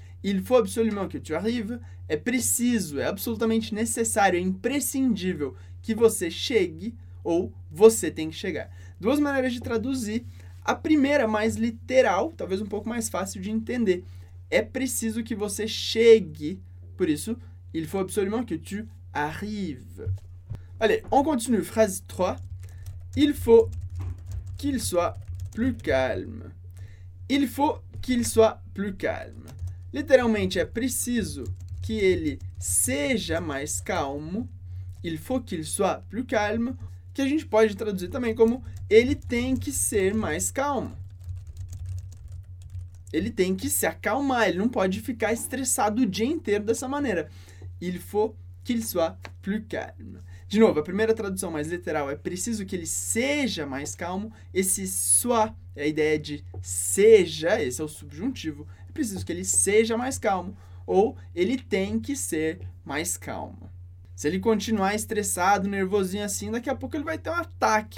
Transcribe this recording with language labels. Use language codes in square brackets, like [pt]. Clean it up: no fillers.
[fr] Il faut absolument que tu arrives, [pt] é preciso, é absolutamente necessário, é imprescindível que você chegue ou você tem que chegar. Duas maneiras de traduzir, a primeira mais literal, talvez um pouco mais fácil de entender, é preciso que você chegue, por isso, [fr] il faut absolument que tu arrives. Allez, on continue, phrase 3. Il faut qu'il soit plus calme. Il faut qu'il soit plus calme. [pt] Literalmente, é preciso que ele seja mais calmo. [fr] Il faut qu'il soit plus calme. [pt] Que a gente pode traduzir também como ele tem que ser mais calmo. Ele tem que se acalmar. Ele não pode ficar estressado o dia inteiro dessa maneira. [fr] Il faut qu'il soit plus calme. [pt] De novo, a primeira tradução mais literal é preciso que ele seja mais calmo. Esse soit é a ideia de seja, esse é o subjuntivo. É preciso que ele seja mais calmo ou ele tem que ser mais calmo. Se ele continuar estressado, nervosinho assim, daqui a pouco ele vai ter um ataque.